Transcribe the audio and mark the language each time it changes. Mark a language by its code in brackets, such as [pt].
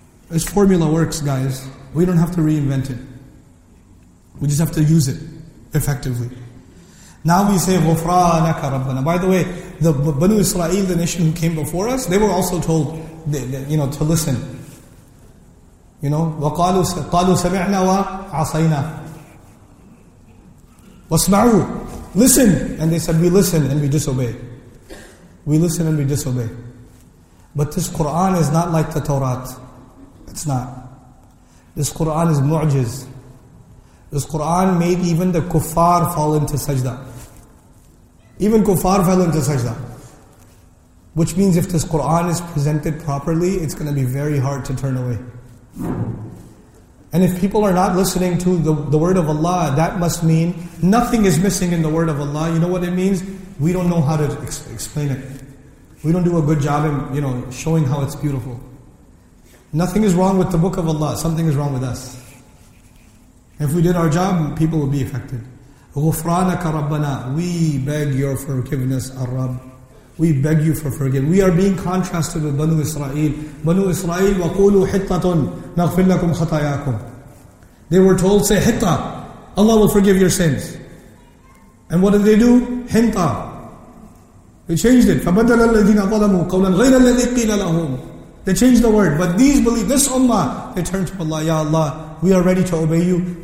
[en] This formula works, guys. We don't have to reinvent it. We just have to use it effectively. Now we say, غُفْرَانَكَ رَبَّنَا. By the way, the Banu Israel, the nation who came before us, they were also told, you know, to listen. [ar] You know, وَقَالُوا سَمِعْنَا وَعَصَيْنَا. وَاسْمَعُوا. Listen. [en] And they said, we listen and we disobey. We listen and we disobey. But this Qur'an is not like the Torah. It's not. This Qur'an is mu'jiz. This Qur'an made even the kuffar fall into sajda. Even kuffar fell into sajda. Which means if this Qur'an is presented properly, it's going to be very hard to turn away. And if people are not listening to the word of Allah, that must mean nothing is missing in the word of Allah. You know what it means? We don't know how to explain it. We don't do a good job in, you know, showing how it's beautiful. Nothing is wrong with the book of Allah, something is wrong with us. If we did our job, people would be affected. غُفْرَانَكَ رَبَّنَا. We beg your forgiveness, Ar-Rabb. We beg you for forgiveness. We are being contrasted with Banu Israel. [ar] Banu Israel, وَقُولُوا حِطَّةٌ نَغْفِرْ لَكُمْ خَطَايَاكُمْ. [en] They were told, say, Hitta, Allah will forgive your sins. And what did they do? Hinta. They changed it. [ar] فَبَدَّلَ الَّذِينَ ظَلَمُوا قَوْلًا غَيْرَ الَّذِي قِيلَ لَهُمْ. They changed the word. [en] But these believe, this Ummah, they turn to Allah, Ya Allah, we are ready to obey you.